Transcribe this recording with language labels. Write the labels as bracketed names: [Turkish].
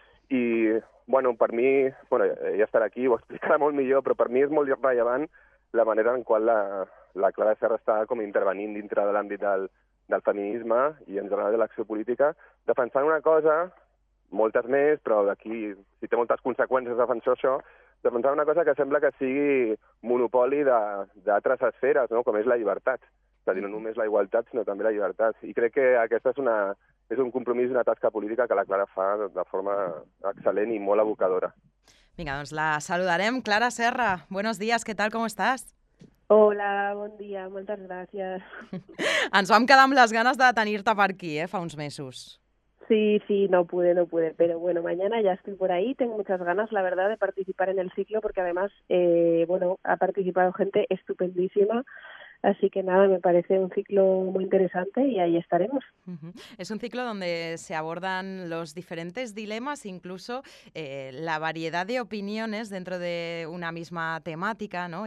[Catalan] I, bueno, per mi, bueno, ja estarà aquí, ho explicarà molt millor, però per mi és molt rellevant la manera en qual la Clara Serra està com intervenint dintre de l'àmbit del feminisme i en general de l'acció política, defensant una cosa, moltes més, però d'aquí, si té moltes conseqüències defensar això, defensar una cosa que sembla que sigui monopoli d'altres esferes, no? Com és la llibertat. És a dir, no només la igualtat, sinó també la llibertat. I crec que aquesta és un compromís i una tasca política que la Clara fa de forma excel·lent i molt abocadora. Vinga, doncs la saludarem. [Spanish] Clara Serra, buenos días, ¿qué tal, cómo estás? [Catalan] Hola, bon dia, moltes gràcies. Ens vam quedar amb les ganes de tenir-te per aquí, fa uns mesos. [Spanish] Sí, no pude, pero bueno, mañana ya estoy por ahí, tengo muchas ganas, la verdad, de participar en el ciclo, porque además, bueno, ha participado gente estupendísima, así que nada, me parece un ciclo muy interesante y ahí estaremos. Es un ciclo donde se abordan los diferentes dilemas, incluso la variedad de opiniones dentro de una misma temática, ¿no?